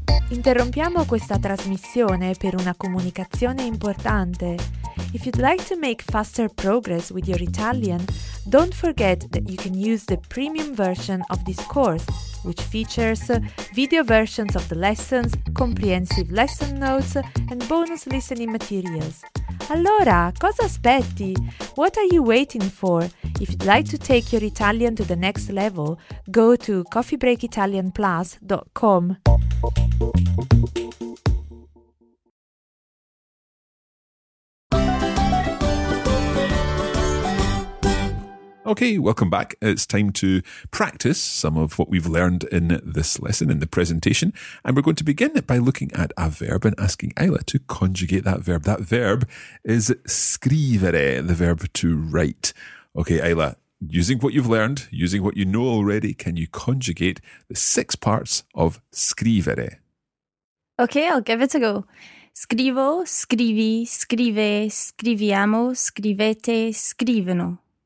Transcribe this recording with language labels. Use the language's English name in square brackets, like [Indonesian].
[Italian] Interrompiamo questa trasmissione per una comunicazione importante. [English] If you'd like to make faster progress with your Italian, don't forget that you can use the premium version of this course, which features video versions of the lessons, comprehensive lesson notes, and bonus listening materials. [Italian] Allora, cosa aspetti? [English] What are you waiting for? If you'd like to take your Italian to the next level, go to coffeebreakitalianplus.com. Okay, welcome back. It's time to practice some of what we've learned in this lesson, in the presentation. And we're going to begin by looking at a verb and asking Ayla to conjugate that verb. That verb is scrivere, the verb to write. Okay, Ayla, using what you've learned, using what you know already, can you conjugate the six parts of scrivere? Okay, I'll give it a go. [Italian] Scrivo, scrivi, scrive, scriviamo, scrivete, scrivono.